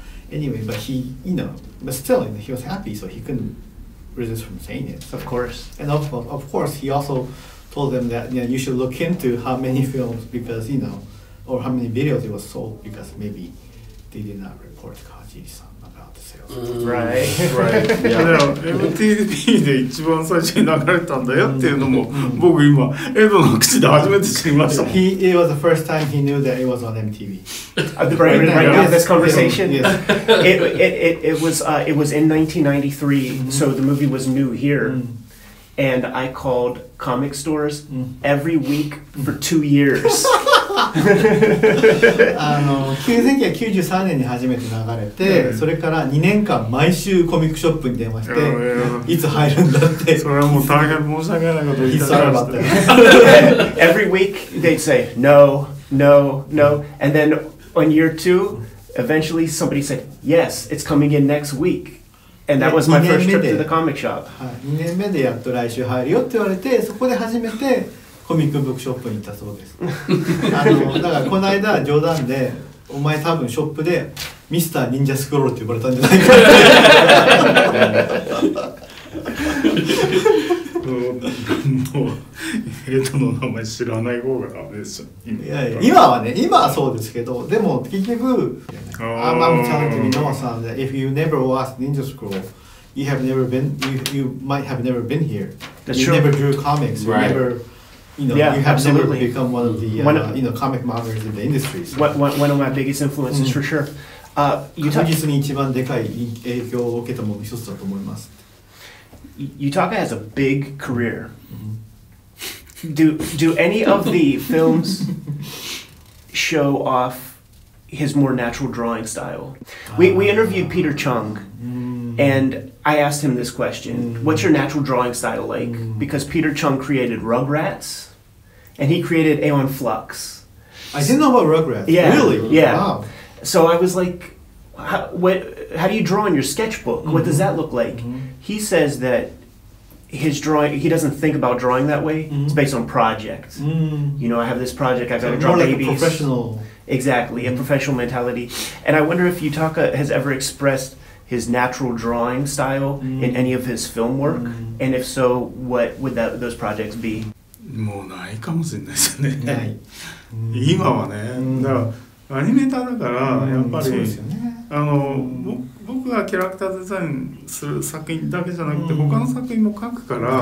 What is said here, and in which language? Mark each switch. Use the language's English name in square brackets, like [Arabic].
[English] But he was happy, so he couldn't resist from saying it. Of course. And of course, he also told them that, you know, you should look into how many films, because, you know, or how many videos it was sold, because maybe they did not report Kawajiri-san about the sales. Right. [Japanese] MTV で一番最初に流れたんだよっていうのも、僕今、エドの口で初めて知りました。 [English] It was the first time he knew that it was on MTV. Right now, this conversation? Yes. It was in 1993, so the movie was new here. And I called comic stores every week for 2 years. [Japanese] 1993年に初めて流れて、yeah. それから2年間毎週コミックショップに電話して、いつ入るんだって。それはもう大変申し訳ないこと言ったらして。 [English] Every week they'd say no, no, no, and then on year two, eventually somebody said yes, it's coming in next week. And that was my first trip to the comic shop. [Japanese] 2年目でやっと来週入るよって言われて、そこで初めてコミックブックショップに行ったそうです。だからこの間冗談で、お前多分ショップでミスター忍者スクロールって呼ばれたんじゃないかって。もう、ヘイトの名前知らない方がダメですよ。いやいや、今はね、今はそうですけど、でも結局、 [English] I'm telling to Minowa san that if you never watched Ninja Scroll, you have never been, you might have never been here. That's you true. Never drew comics, right. You never, you know, yeah, you have absolutely. Never become one of the, you know, comic mangas in the industry. So. One of my biggest influences, for sure. [Japanese] 確実に一番でかい影響を受けたもの一つだと思います。 [English] Yutaka has a big career. Do any of the films show off his more natural drawing style? We interviewed Peter Chung, and I asked him this question. What's your natural drawing style like? Because Peter Chung created Rugrats, and he created Aeon Flux. I didn't know about Rugrats. Yeah. Really? Yeah. Wow. So I was like, how do you draw in your sketchbook? What does that look like? He says that his drawing, he doesn't think about drawing that way. It's based on projects. You know, I have this project, I've got to draw more babies. Like a professional. Exactly, a professional mentality. And I wonder if Yutaka has ever expressed his natural drawing style in any of his film work. And if so, what would that, those projects be? [Japanese] もうないかもしれないですね。今はね、だからアニメーターだからやっぱり、僕がキャラクターデザインする作品だけじゃなくて他の作品も描くから